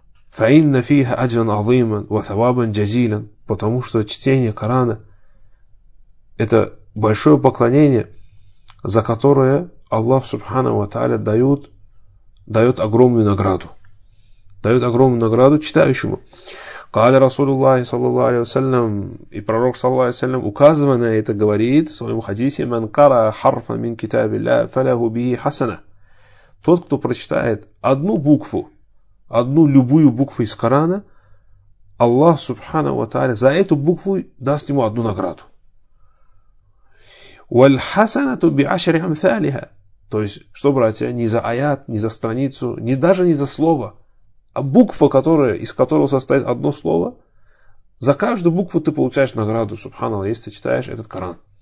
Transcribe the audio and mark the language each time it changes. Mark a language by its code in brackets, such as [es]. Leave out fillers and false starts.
[ar] فَإِنَّ فِيهَ أَجْرًا عَظِيمًا وَثَوَابًا جَزِيلًا. [ru] Потому что чтение Корана – это большое поклонение, за которое Аллах Субхану ва Тааля дает огромную награду. Дает огромную награду читающему. [ar] قَالَ رَسُولُ اللَّهِ صَلَّى اللَّهُ عَلَيْهِ وَسَلَّمُ. [ru] И пророк, [ar] صَلَّى اللَّهُ عَلَيْهِ وَسَلَّمُ, [ru] указывая на это, говорит в своем хадисе, [ar] مَنْ قَرَى حَرْفًا مِنْ كِتَابِ اللَّهِ فَلَهُ بِهِ حَسَنًا. [ru] Тот, кто прочитает одну букву, одну любую букву из Корана, Аллах Субхана ва Тааля за эту букву даст ему одну награду. [ar] وَالْحَسَنَةُ بِعَشْرِ أَمْثَالِهَا. [ru] То есть, что, братья, не за аят, не за страницу, не даже не за слово, а буква, которая, из которого состоит одно слово, за каждую букву ты получаешь награду, субханаллах, если ты читаешь этот Коран.